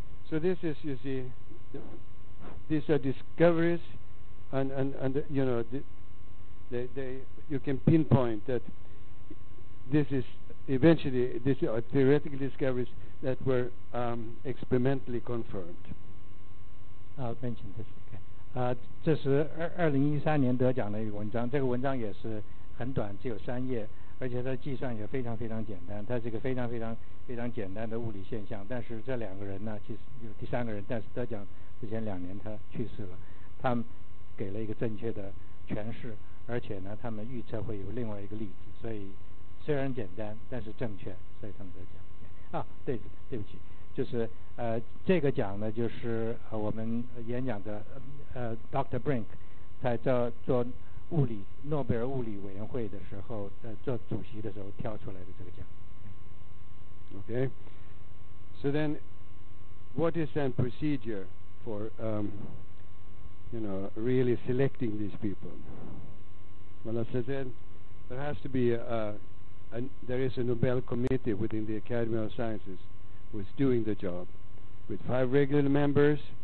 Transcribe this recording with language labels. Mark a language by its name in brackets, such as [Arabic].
[English] So this is, you see, these are discoveries, and you know, they you can pinpoint that this is eventually, these are theoretical discoveries that were experimentally confirmed. I'll mention this. Okay. [Chinese] 这是2013年得奖的一个文章，这个文章也是很短，只有三页，而且它计算也非常非常简单，它是一个非常非常非常简单的物理现象。但是这两个人呢，其实有第三个人，但是得奖之前两年他去世了，他们给了一个正确的诠释，而且呢，他们预测会有另外一个例子，所以虽然简单，但是正确，所以他们得奖。啊，对不起，就是这个奖呢，就是我们演讲的Dr. Brink 在做物理诺贝尔物理委员会的时候，在做主席的时候挑出来的这个奖。 [English] Okay, so then, what is the procedure for you know, really selecting these people? Well, as I said, there has to be there is a Nobel Committee within the Academy of Sciences who is doing the job, with 5 regular members.